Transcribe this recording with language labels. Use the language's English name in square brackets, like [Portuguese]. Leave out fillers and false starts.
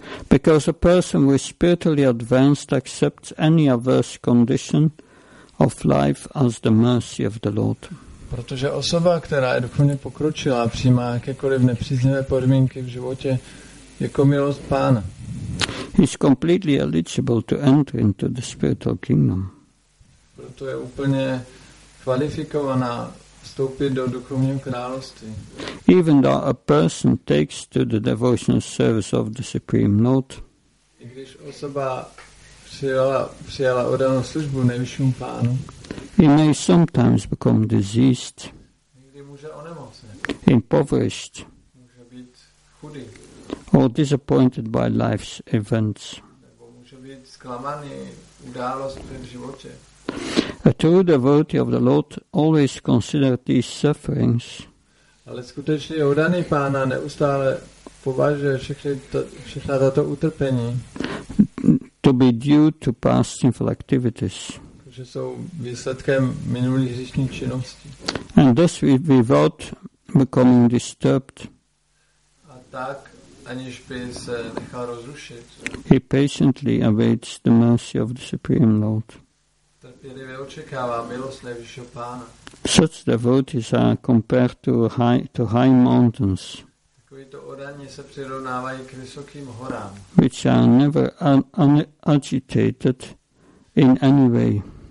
[English] Because a person who is spiritually advanced accepts any adverse condition of life as the mercy of the Lord. [Czech] Protože osoba, která je duchovně pokročila, přijímá jakékoliv nepříznivé podmínky v životě jako milost Pána. [English] He is completely eligible to enter into the spiritual kingdom. [Czech] Proto je úplně kvalifikovaná vstoupit do duchovního království. [English] Even though a person takes to the devotional service of the Supreme Lord, [Czech] i když osoba přijala oddanou službu nejvyššímu Pánu, [English] he may sometimes become diseased, [Czech] někdy může onemocnit, [English] impoverished, [Czech] může být chudý, [English] or disappointed by life's events. [Czech] Nebo může být zklamaný událostmi v životě. [English] A true devotee of the Lord always considers these sufferings, [Czech] ale skutečně oddaný Pána neustále považuje všechna tato utrpení, [English] to be due to past sinful activities, [Czech] že jsou výsledkem minulých hříšných činností. [English] And thus without becoming disturbed, [Czech] a tak, aniž by se nechal rozrušit, [English] he patiently awaits the mercy of the Supreme Lord. [Czech] Trpělivě očekává milost nejvyššího Pána. [English] Such devotees are compared to high mountains, [Czech] takovýto oddaní se přirovnávají k vysokým horám, [English] which are never agitated in any way.